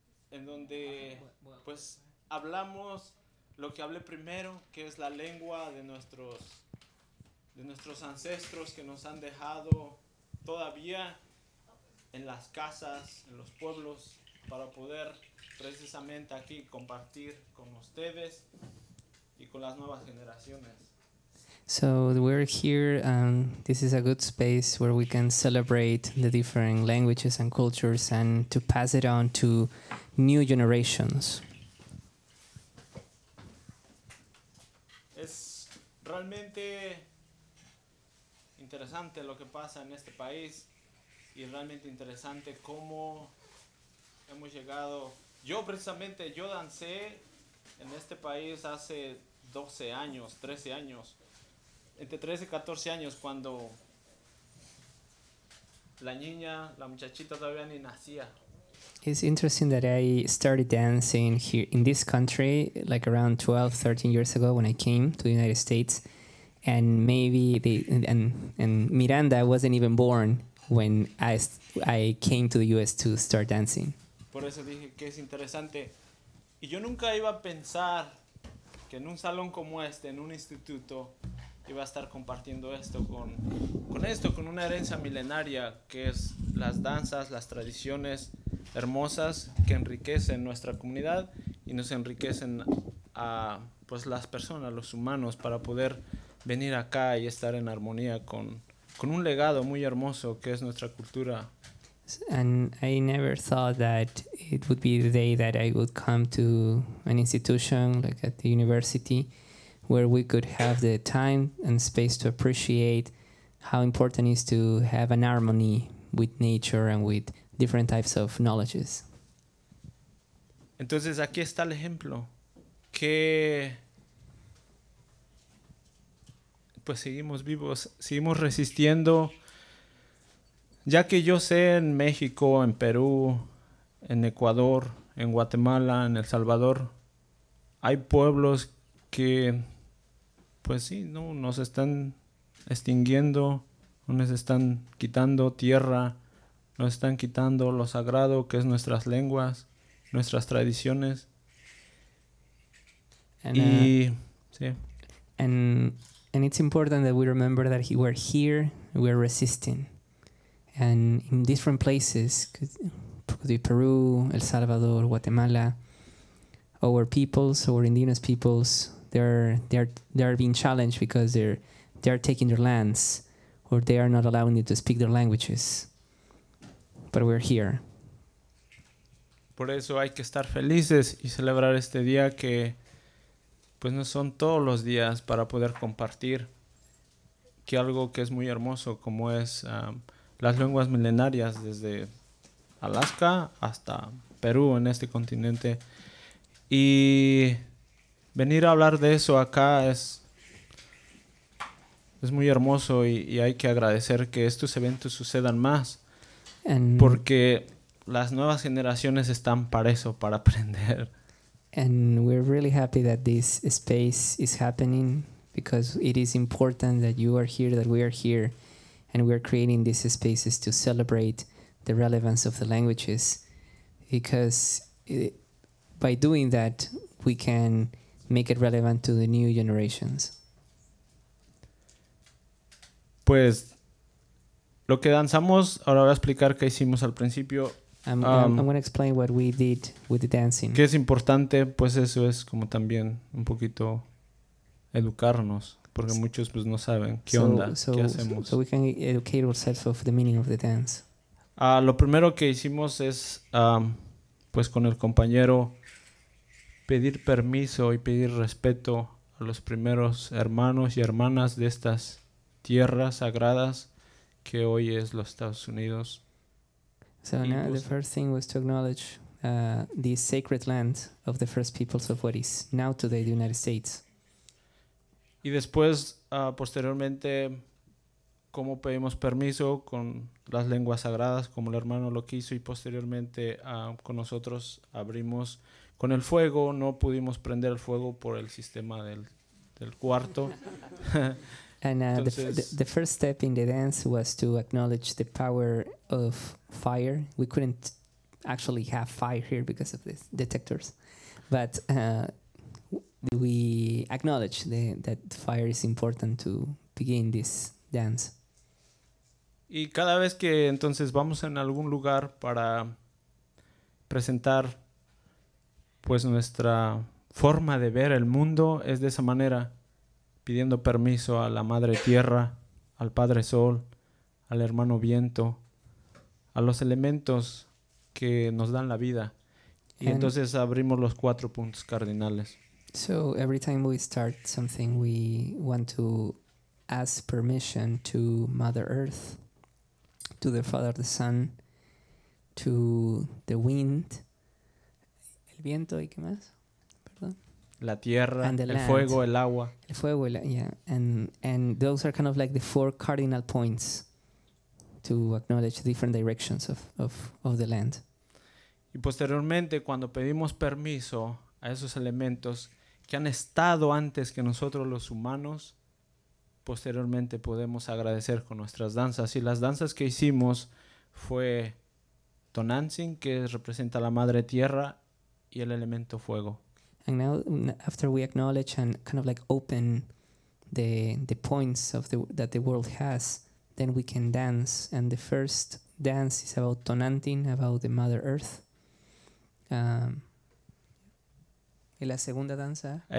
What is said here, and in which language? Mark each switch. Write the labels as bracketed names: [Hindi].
[Spanish] En donde, pues... Hablamos lo que hablé primero, que es la lengua de nuestros ancestros que nos han dejado todavía en las casas, en los pueblos, para poder precisamente aquí compartir con ustedes y con las nuevas generaciones. [English] So we're here, this is a good space where we can celebrate the different languages and cultures and to pass it on to new generations. [Spanish] Realmente interesante lo que pasa en este país y realmente interesante cómo hemos llegado. Yo dancé en este país hace 12 años, 13 años, entre 13 y 14 años cuando la muchachita todavía ni nacía. [English] It's interesting that I started dancing here in this country like around 12, 13 years ago when I came to the United States. And maybe the and Miranda wasn't even born when I came to the U.S. to start dancing. [Spanish] Por eso dije que es interesante. Y yo nunca iba a pensar que en un salón como este, en un instituto, iba a estar compartiendo esto con una herencia milenaria que es las danzas, las tradiciones hermosas que enriquecen nuestra comunidad y nos enriquecen a pues las personas, los humanos, para poder venir acá y estar en armonía con un legado muy hermoso que es nuestra cultura. [English] And I never thought that it would be the day that I would come to an institution like at the university where we could have the time and space to appreciate how important it is to have an harmony with nature and with different types of knowledges. [Spanish] Entonces aquí está el ejemplo. que pues seguimos vivos, seguimos resistiendo, ya que yo sé en México, en Perú, en Ecuador, en Guatemala, en El Salvador, hay pueblos que, pues sí, no, nos están extinguiendo, nos están quitando tierra, nos están quitando lo sagrado que es nuestras lenguas, nuestras tradiciones. [English] And, sí. And it's important that we remember that we're here, we're resisting. And in different places, could be Peru, El Salvador, Guatemala, our peoples, our indigenous peoples, they are being challenged because they are taking their lands, or they are not allowing you to speak their languages. But we're here. [Spanish] Por eso hay que estar felices y celebrar este día que, pues no son todos los días para poder compartir que algo que es muy hermoso como es las lenguas milenarias desde Alaska hasta Perú en este continente. Y venir a hablar de eso acá es muy hermoso y hay que agradecer que estos eventos sucedan más porque las nuevas generaciones están para eso, para aprender. [English] And we're really happy that this space is happening because it is important that you are here, that we are here, and we're creating these spaces to celebrate the relevance of the languages because by doing that, we can make it relevant to the new generations. [Spanish] Pues, lo que danzamos, ahora voy a explicar qué hicimos al principio. [English] I'm going to explain what we did with the dancing. [Spanish] ¿Qué es importante? Pues eso es como también un poquito educarnos, porque muchos pues no saben qué onda, qué hacemos. [English] So we can educate ourselves of the meaning of the dance. [Spanish] Lo primero que hicimos es, pues con el compañero, pedir permiso y pedir respeto a los primeros hermanos y hermanas de estas tierras sagradas que hoy es los Estados Unidos. [English] So now the first thing was to acknowledge the sacred land of the first peoples of what is now today the United States. [Spanish] Y después, posteriormente, cómo pedimos permiso con las lenguas sagradas, como el hermano lo quiso, y posteriormente con nosotros abrimos con el fuego. No pudimos prender el fuego por el sistema del cuarto. [English] And the first step in the dance was to acknowledge the power of fire. We couldn't actually have fire here because of the detectors. But we acknowledge that fire is important to begin this dance. [Spanish] Y cada vez que entonces vamos en algún lugar para presentar pues nuestra forma de ver el mundo es de esa manera. Pidiendo permiso a la Madre Tierra, al Padre Sol, al Hermano Viento, a los elementos que nos dan la vida. Y entonces abrimos los cuatro puntos cardinales. [English] So every time we start something, we want to ask permission to Mother Earth, to the Father, the Sun, to the Wind, [Spanish] el Viento, ¿y qué más? La tierra, el [English] land, [Spanish] fuego, el agua. El fuego, [English] and those are kind of like the four cardinal points to acknowledge different directions of the land. [Spanish] Y posteriormente, cuando pedimos permiso a esos elementos que han estado antes que nosotros los humanos, posteriormente podemos agradecer con nuestras danzas. Y las danzas que hicimos fue Tonantzin, que representa la madre tierra, y el elemento fuego. [English] And now, after we acknowledge and kind of like open the points of that the world has, then we can dance. And the first dance is about Tonantzin, about the Mother Earth. [Spanish] Y la segunda danza.